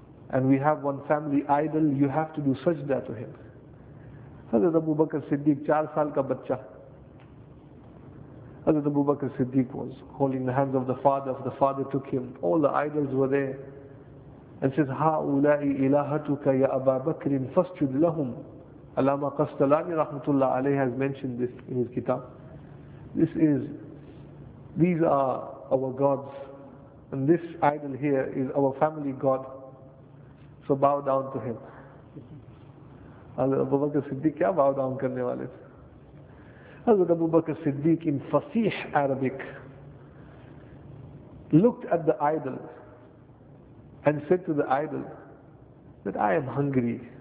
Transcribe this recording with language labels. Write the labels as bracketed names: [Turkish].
[English] And we have one family idol, you have to do sajda to him. [Urdu] Hazrat Abu Bakr Siddiq, 4 saal ka bachcha. [English] Hazrat Abu Bakr Siddiq was holding the hands of the father took him, all the idols were there. And says, [Arabic] هَاُولَٰئِ إِلَٰهَتُكَ يَا أَبَا بَكْرٍ فَاسْجُدْ لَهُمْ. [English] Allama Qastalani Rahmatullah Alayhi has mentioned this in his kitab. These are our gods. And this idol here is our family god. So bow down to him. Abu Bakr Siddiq, [Urdu] kya bow down karne wale? [English] Hazrat Abu Bakr Siddiq in Fasih Arabic looked at the idol and said to the idol that I am hungry.